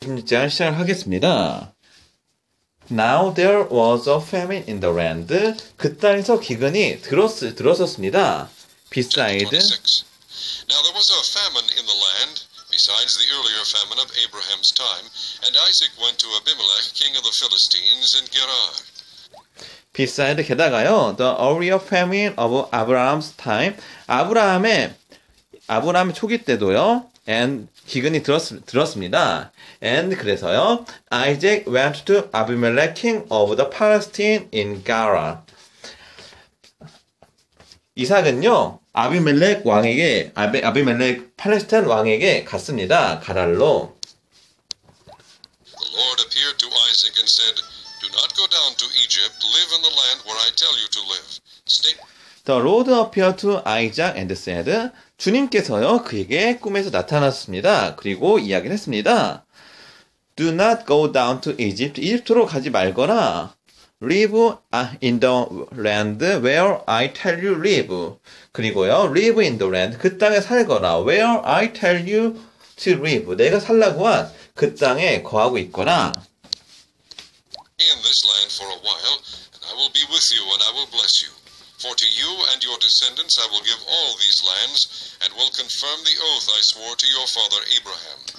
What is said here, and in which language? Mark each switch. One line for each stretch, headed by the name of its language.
Korean: 제가 시작을 하겠습니다.
English: Now there was a famine in the land.
Korean: 그 땅에서 기근이 들었었습니다.
English: Beside. Now there was a famine in the land, besides the earlier famine of Abraham's time, and Isaac went to Abimelech, king of the Philistines, in Gerar. Beside,
Korean: 게다가요,
English: the earlier famine of Abraham's time,
Korean: 아브라함의 초기 때도요,
English: and
Korean: 기근이 들었습니다.
English: And
Korean: 그래서요,
English: Isaac went to Abimelech, king of the Palestine, in Gerar.
Korean: 이삭은요, 아비멜렉 팔레스타인 왕에게 갔습니다. 가랄로.
English: The Lord appeared to Isaac and said, Do not go down to Egypt, live in the land where I tell you to live. Stay. The Lord appeared to Isaac and said,
Korean: 주님께서요, 그에게 꿈에서 나타났습니다. 그리고 이야기를 했습니다.
English: Do not go down to Egypt,
Korean: 이집트로 가지 말거라.
English: Live in the land where I tell you live.
Korean: 그리고요,
English: live in the land.
Korean: 그 땅에 살거나,
English: where I tell you to live.
Korean: 내가 살라고 한 그 땅에 거하고 있거나.
English: In this land for a while, and I will be with you and I will bless you. For to you and your descendants I will give all these lands and will confirm the oath I swore to your father Abraham.